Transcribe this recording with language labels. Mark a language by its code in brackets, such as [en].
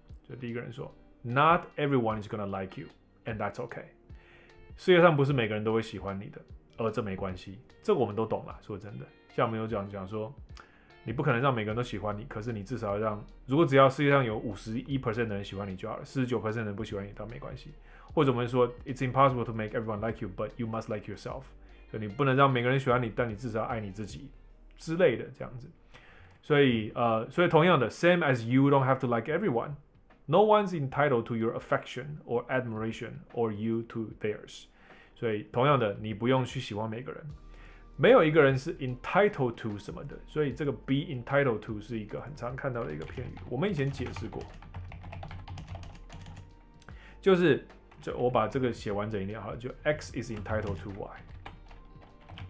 [zh] 就第一个人说 [en] Not everyone is gonna like you and that's OK。 [zh] 世界上不是每个人都会喜欢你的，而这没关系，这个我们都懂了。说真的，像我们有讲说，你不可能让每个人都喜欢你，可是你至少要让，如果只要世界上有 51% 的人喜欢你就好了， 49% 的人不喜欢你倒没关系。或者我们说 [en] It's impossible to make everyone like you, but you must like yourself。 [zh] 所以你不能让每个人喜欢你，但你至少要爱你自己之类的，这样子。所以同样的， [en] Same as you don't have to like everyoneNo one's entitled to your affection or admiration or you to theirs. [zh] 所以同样的，你不用去喜欢每个人。没有一个人是 entitled to 什么的，所以这个 be entitled to 是一个很常看到的一个片语。我们以前解释过，就是就我把这个写完整一点好了，就 [en] X is entitled to Y。